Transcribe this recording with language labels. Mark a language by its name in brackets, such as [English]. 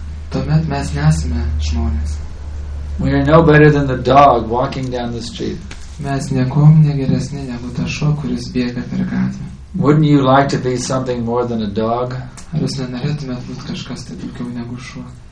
[Lithuanian] Tuomet mes nesame žmonės. [English] We are no better than the dog walking down the street. [Lithuanian] Mes niekom negeresni negu tas šuo, kuris bėga per gatvę. [English] Wouldn't you like to be something more than a dog? [Lithuanian] Ar jūs nenorėtumėt būti kažkas taip daugiau negu šuo?